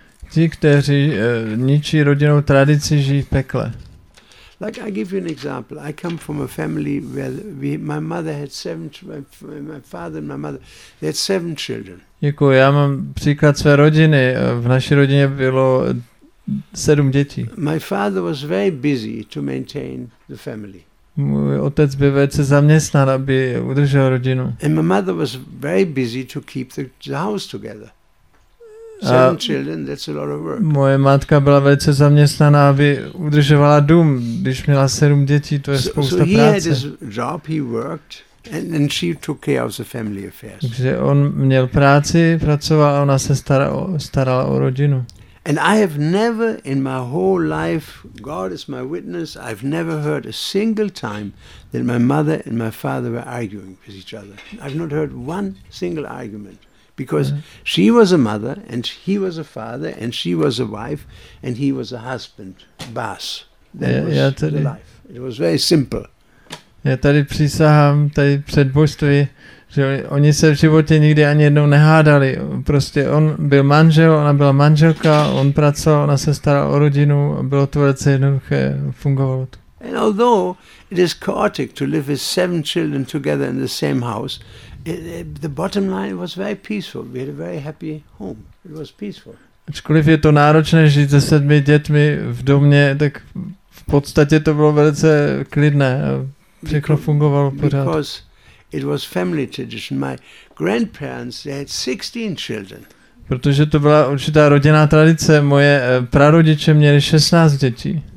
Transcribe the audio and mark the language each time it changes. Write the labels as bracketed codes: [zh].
[cs] Ti, kteří ničí rodinnou tradici, žijí v pekle. [en] Like I give you an example. I come from a family where my mother had seven, my father and my mother, they had seven children. [cs] Děkuji, já mám příklad své rodiny. V naší rodině bylo sedm dětí. [en] My father was very busy to maintain the family. [cs] Můj otec byl velice zaměstnán, aby udržel rodinu. [en] And my mother was very busy to keep the house together. Seven children, that's a lot of work. [cs] Moje matka byla velice zaměstnaná, aby udržovala dům, když měla sedm dětí, to je spousta práce. [en] So he had his job, he worked, and she took care of the family affairs. [cs] Takže on měl práci, pracoval a ona se starala o rodinu. [en] And I have never in my whole life, God is my witness, I've never heard a single time that my mother and my father were arguing with each other. I've not heard one single argument. Because she was a mother and he was a father and she was a wife and he was a husband. Bas. That was [cs] tady, [en] the life. It was very simple. [cs] Já tady přísahám tady před božství, že oni se v životě nikdy ani jednou nehádali. Prostě on byl manžel, ona byla manželka, on pracoval, ona se starala o rodinu, bylo to velice jednoduché, fungovalo to. [en] And although it is chaotic to live with seven children together in the same house, the bottom line was very peaceful. We had a very happy home. It was peaceful. [cs] Ačkoliv je to náročné žít se sedmi dětmi v domě, tak v podstatě to bylo velice klidné. Všechno fungovalo pořád. [en] Because it was family tradition. My grandparents, they had 16 children. [cs] Protože to byla určitá rodinná tradice. Moje prarodiče měli 16 dětí.